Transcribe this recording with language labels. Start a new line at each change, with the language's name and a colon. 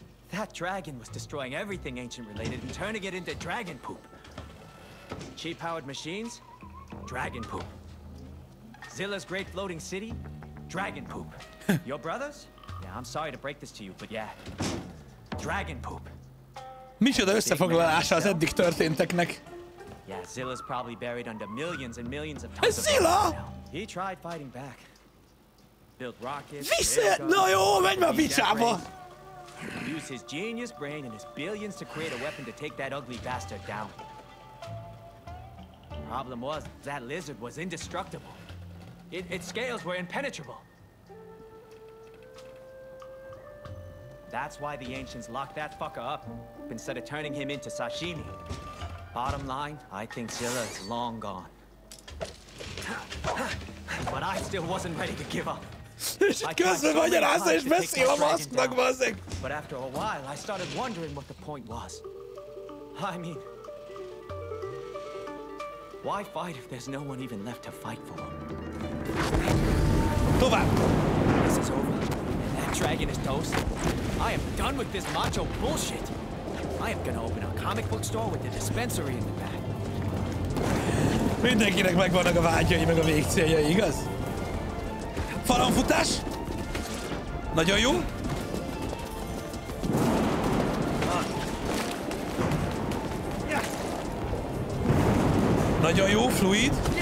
English: That dragon was destroying everything ancient related and turning it into dragon poop. Cheap powered machines, dragon poop. Zilla's great floating city, dragon poop. Your brothers? Yeah, I'm sorry to break this to you, but yeah, dragon poop.
Hungarian: Micsoda összefoglalása az eddig történteknek?
English: Yeah, Zilla's probably buried under millions and millions of tons of Zilla! He tried fighting back. Built rockets.
Hungarian: Visszajött! Na jó, menj már picsába!
English: Use his genius brain and his billions to create a weapon to take that ugly bastard down. The problem was, that lizard was indestructible. Its scales were impenetrable. That's why the ancients locked that fucker up, instead of turning him into sashimi. Bottom line, I think Zilla is long gone. But I still wasn't ready to give up.
Hungarian: Közben magyarázza és beszél a masknak, bazzik!
English: But after a while, I started wondering what the point was. I mean... Why fight if there's no one even left to fight for?
Hungarian: Tovább!
English: This is over. That dragon is toast. I am done with this macho bullshit. I am gonna open a comic book store with a dispensary in the back.
Hungarian: Mindenkinek megvannak a vágyai meg a végcéljai, igaz? Faramfutás? Nagyon jó? Nagyon jó, fluid.